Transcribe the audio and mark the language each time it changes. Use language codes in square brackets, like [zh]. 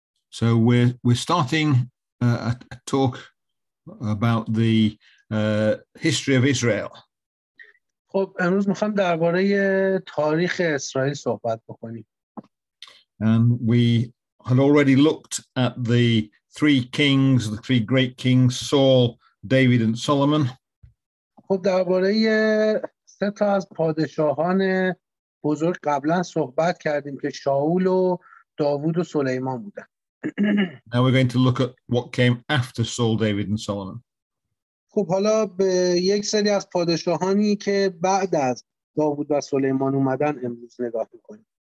[en] So we're starting a talk about the history of Israel. [fa] خب امروز میخوام درباره تاریخ اسرائیل صحبت بکنیم. [en] And we had already looked at the three kings, the three great kings, Saul, David and Solomon. [fa] خب درباره سه تا از پادشاهان بزرگ قبلا صحبت کردیم که شاول و داوود و سلیمان بودن. [en] Now we're going to look at what came after Saul, David and Solomon. [fa] خب حالا به یک سری از پادشاهانی که بعد از داوود و سلیمان اومدن امروز نگاه می‌کنیم.